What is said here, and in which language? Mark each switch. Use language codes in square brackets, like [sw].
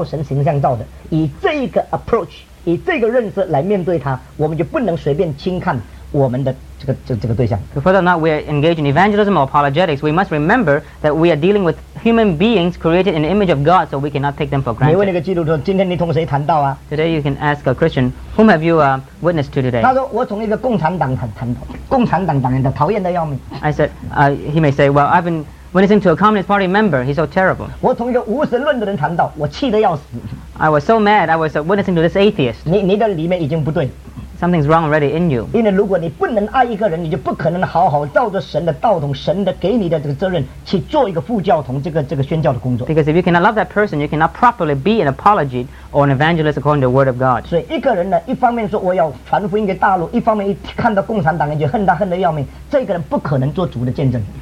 [zh] 现在我们无论是传福音，无论是副教，我们要记得我们的对象是照神形象造的。以这一个 approach， 以这个认识来面对他，我们就不能随便轻看。我们的这个对象。 [en] Whether or not we are engaged in evangelism or apologetics, we must remember that we are dealing with human beings created in the image of God, so we cannot take them for granted. [zh] 你问那个基督徒，今天你同谁谈到啊？ [en] Today you can ask a Christian, whom have you witnessed to today? [zh] 他说，我从一个共产党谈到，共产党党员的讨厌的要命。 [en] I said, he may say, well, I've been When listening to a Communist Party member, he's so terrible. I was so mad, I was witnessing to this atheist. [zh] 你的里面已经不对。 [en] Something's wrong already in you. Because if you cannot love that person, you cannot properly be an apologist or an evangelist according to the Word of God.